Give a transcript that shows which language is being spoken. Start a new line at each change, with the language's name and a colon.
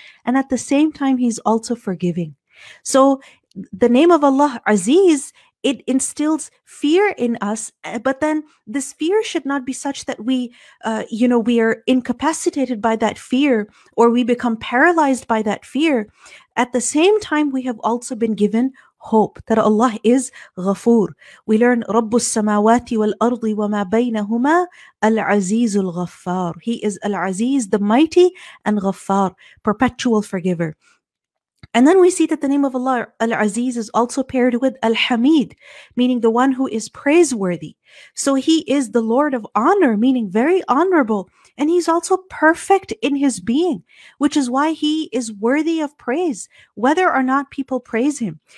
English: And at the same time, he's also forgiving. So the name of Allah Aziz, it instills fear in us. But then this fear should not be such that we are incapacitated by that fear, or we become paralyzed by that fear. At the same time, we have also been given hope that Allah is Ghafoor. We learn
Arabic: رَبُّ السَّمَاوَاتِ وَالْأَرْضِ وَمَا بَيْنَهُمَا الْعَزِيزُ الْغَفَّارُ.
English: He is Al-Aziz, the Mighty, and Ghaffar, perpetual forgiver. And then we see that the name of Allah Al-Aziz is also paired with Al-Hamid, meaning the one who is praiseworthy. So he is the Lord of honor, meaning very honorable. And he's also perfect in his being, which is why he is worthy of praise, whether or not people praise him.